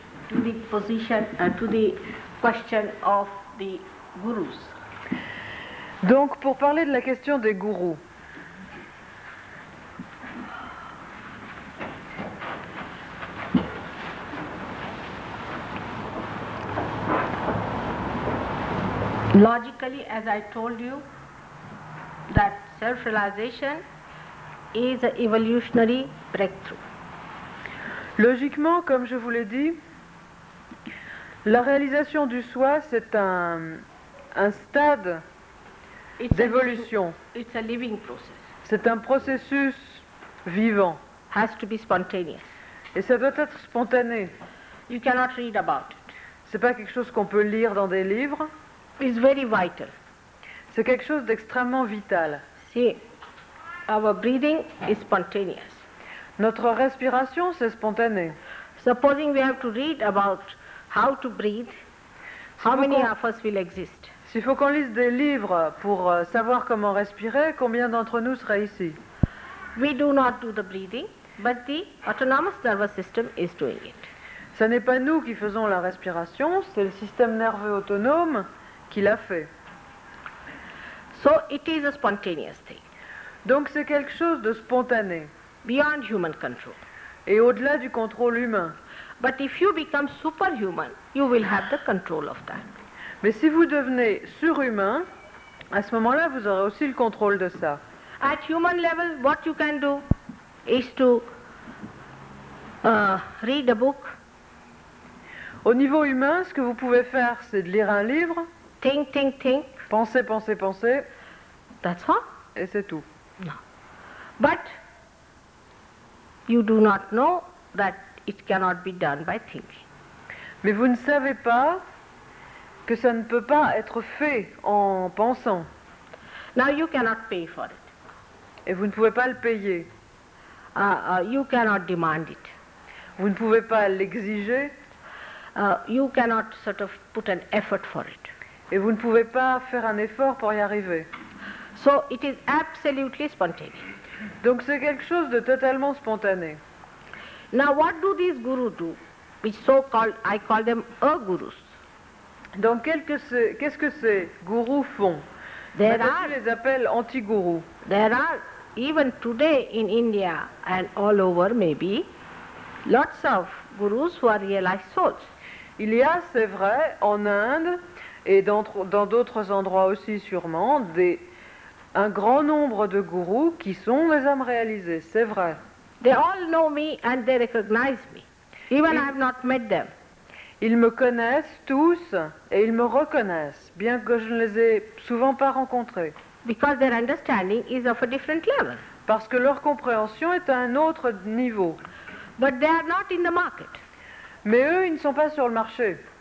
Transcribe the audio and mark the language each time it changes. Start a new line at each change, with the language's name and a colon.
English: To the position, to the question of the gurus.
French: Donc, pour parler de la question des gourous.
English: Logically, as I told you, that self-realization is an evolutionary breakthrough.
French: Logiquement, comme je vous l'ai dit, la réalisation du soi, c'est un stade d'évolution.
English: It's a living process.
French: C'est un processus vivant.
English: Has to be spontaneous.
French: Et ça doit être spontané.
English: You cannot read about it.
French: C'est pas quelque chose qu'on peut lire dans des livres.
English: It's very vital.
French: C'est quelque chose d'extrêmement vital.
English: See, our breathing is spontaneous.
French: Notre respiration, c'est spontané.
English: Supposing we have to read about how to breathe, how many of us will exist?
French: S'il faut qu'on lise des livres pour savoir comment respirer, combien d'entre nous seraient ici?
English: We do not do the breathing, but the autonomous nervous system is doing it.
French: Ce n'est pas nous qui faisons la respiration, c'est le système nerveux autonome qui l'a fait.
English: So it is a spontaneous thing.
French: Donc c'est quelque chose de spontané.
English: Beyond human control.
French: Et au-delà du contrôle humain.
English: But if you become superhuman, you will have the control of that.
French: Mais si vous devenez surhumain, à ce moment-là, vous aurez aussi le contrôle de ça.
English: At human level, what you can do is to read a book.
French: Au niveau humain, ce que vous pouvez faire, c'est de lire un livre.
English: Think.
French: Penser.
English: That's all.
French: Et c'est tout.
English: No. But you do not know that it cannot be done by thinking.
French: Mais vous ne savez pas que ça ne peut pas être fait en pensant.
English: Now you cannot pay for it.
French: Et vous ne pouvez pas le payer.
English: You cannot demand it.
French: Vous ne pouvez pas l'exiger.
English: You cannot sort of put an effort for it.
French: Et vous ne pouvez pas faire un effort pour y arriver.
English: So it is absolutely spontaneous.
French: Donc c'est quelque chose de totalement spontané.
English: Now, what do these gurus do, which so-called, I call them a-gurus?
French: Donc, qu'est-ce que ces gurus font? Maintenant, je les appelle anti-gurus.
English: There are, even today in India and all over maybe, lots of gurus who are realized souls.
French: Il y a, c'est vrai, en Inde et dans d'autres endroits aussi sûrement, un grand nombre de gurus qui sont des âmes réalisées, c'est vrai.
English: They all know me and they recognize me. Even I have not met them.
French: Ils me connaissent tous et ils me reconnaissent, bien que je ne les ai souvent pas rencontrés.
English: Because their understanding is of a different level.
French: Parce que leur compréhension est à un autre niveau.
English: But they are not in the market.
French: Mais eux, ils ne sont pas sur le marché.